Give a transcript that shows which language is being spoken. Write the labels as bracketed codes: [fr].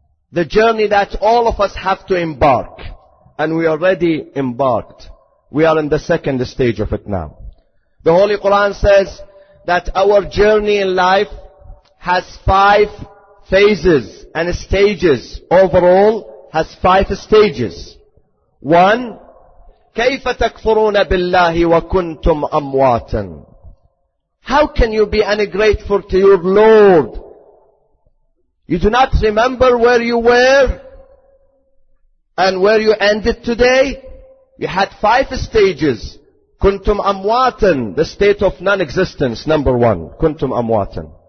[en] The journey that all of us have to embark. And we already embarked. We are in the second stage of it now. The Holy Quran says that our journey in life has five phases and stages. Overall, has five stages. One, [ar] كَيْفَ تَكْفُرُونَ بِاللَّهِ وَكُنْتُمْ أَمْوَاتًا. [en] How can you be ungrateful to your Lord? You do not remember where you were and where you ended today. You had five stages. Kuntum amwatan, the state of non-existence, number one. Kuntum amwatan.